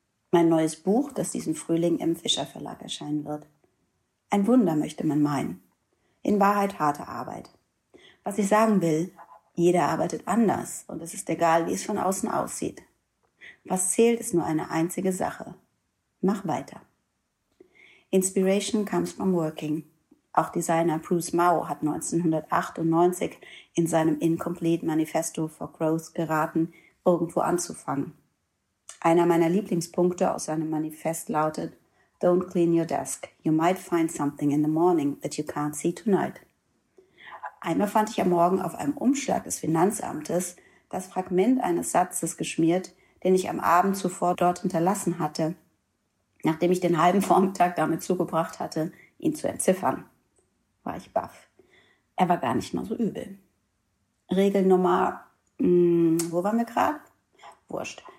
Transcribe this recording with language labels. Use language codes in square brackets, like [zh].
[de] Mein neues Buch, das diesen Frühling im Fischer Verlag erscheinen wird. Ein Wunder, möchte man meinen. In Wahrheit harte Arbeit. Was ich sagen will, jeder arbeitet anders und es ist egal, wie es von außen aussieht. Was zählt, ist nur eine einzige Sache. Mach weiter. [en] Inspiration comes from working. [de] Auch Designer Bruce Mau hat 1998 in seinem Incomplete Manifesto for Growth geraten, irgendwo anzufangen. Einer meiner Lieblingspunkte aus seinem Manifest lautet: Don't clean your desk. [en] You might find something in the morning that you can't see tonight. [de] Einmal fand ich am Morgen auf einem Umschlag des Finanzamtes das Fragment eines Satzes geschmiert, den ich am Abend zuvor dort hinterlassen hatte, nachdem ich den halben Vormittag damit zugebracht hatte, ihn zu entziffern. War ich baff. Er war gar nicht mal so übel. Regel Nummer, wo waren wir gerade? Wurscht.